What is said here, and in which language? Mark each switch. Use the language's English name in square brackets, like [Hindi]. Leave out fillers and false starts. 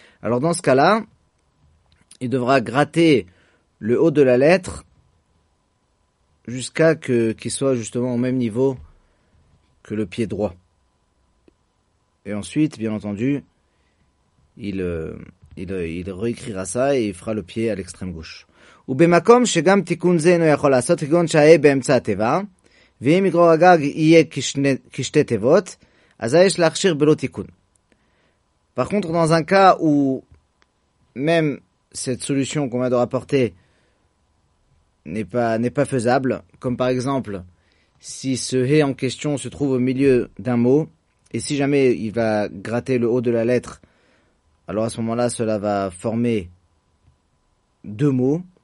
[French] Alors dans ce cas-là, il devra gratter le haut de la lettre jusqu'à ce qu'il soit justement au même niveau que le pied droit. Et ensuite, bien entendu, il réécrira ça et il fera le pied à l'extrême gauche. [Hebrew] ובמקום שגם תיקון זה אינו יכול לעשות כגון שהאה באמצע התיבה, ואם יגרור הגג יהיה כשתי תיבות, אז יש להכשיר בלא תיקון. [French] Par contre, dans un cas où même cette solution qu'on vient de rapporter n'est pas faisable, comme par exemple si ce hé en question se trouve au milieu d'un mot, et si jamais il va gratter le haut de la lettre, alors à ce moment-là, cela va former deux mots.